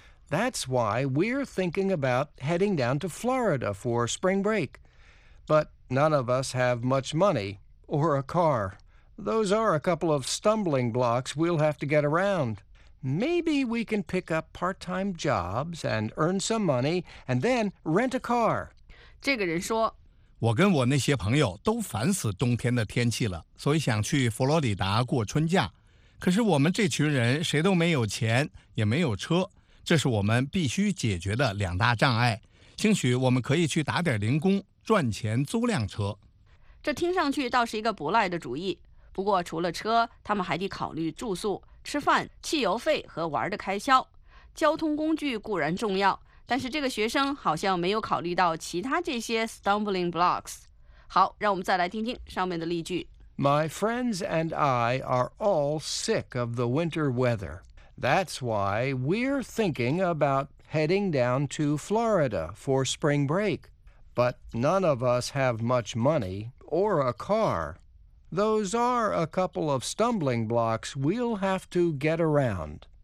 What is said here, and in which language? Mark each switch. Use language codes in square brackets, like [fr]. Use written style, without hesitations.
[en] That's why we're thinking about heading down to Florida for spring break. But none of us have much money or a car. Those are a couple of stumbling blocks we'll have to get around. Maybe we can pick up part-time jobs and earn some money, and then rent a car. [zh] 这个人说，我跟我那些朋友都烦死冬天的天气了，所以想去佛罗里达过春假。可是我们这群人谁都没有钱，也没有车，这是我们必须解决的两大障碍。兴许我们可以去打点零工，赚钱租辆车。这听上去倒是一个不赖的主意。不过除了车，他们还得考虑住宿、吃饭、汽油费和玩的开销。交通工具固然重要，但是这个学生好像没有考虑到其他这些 stumbling blocks。好，让我们再来听听上面的例句。 [en] My friends and I are all sick of the winter weather. That's why we're thinking about heading down to Florida for spring break. But none of us have much money or a car. Those are a couple of stumbling blocks we'll have to get around.